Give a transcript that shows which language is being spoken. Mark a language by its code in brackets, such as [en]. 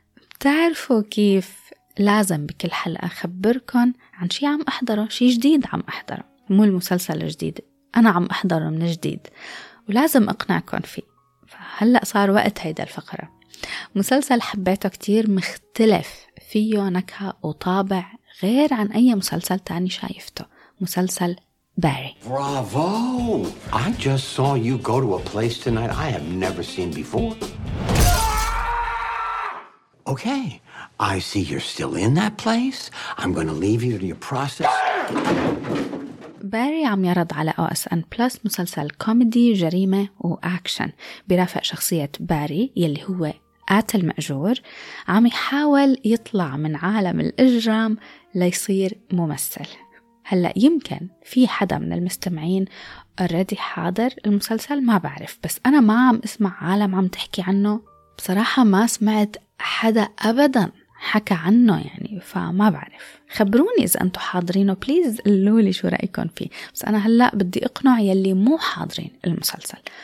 [ar] بتعرفوا كيف لازم بكل حلقة أخبركن عن شي عم أحضره، شي جديد عم أحضره، مو المسلسل الجديد، أنا عم أحضره من جديد ولازم أقنعكن فيه. فهلأ صار وقت هيدا الفقرة. مسلسل حبيته كتير، مختلف، فيه نكهة وطابع غير عن أي مسلسل تاني شايفته، مسلسل باري. [en] Bravo! I just saw you go to a place tonight I have never seen before. Okay. I see you're still in that place. I'm going to leave you to your process. [ar] باري عم يعرض على OSN Plus، مسلسل كوميدي جريمة وأكشن، بيرافق شخصية باري يلي هو قاتل مأجور عم يحاول يطلع من عالم الإجرام ليصير ممثل. هلأ يمكن في حدا من المستمعين [en] already [ar] حاضر المسلسل، ما بعرف، بس أنا ما عم اسمع عالم عم تحكي عنه بصراحة، ما سمعت حدا أبدا حكى عنه يعني، فما بعرف، خبروني إذا أنتوا حاضرينه بليز قلولي شو رأيكم فيه، بس أنا هلأ بدي أقنع يلي مو حاضرين المسلسل.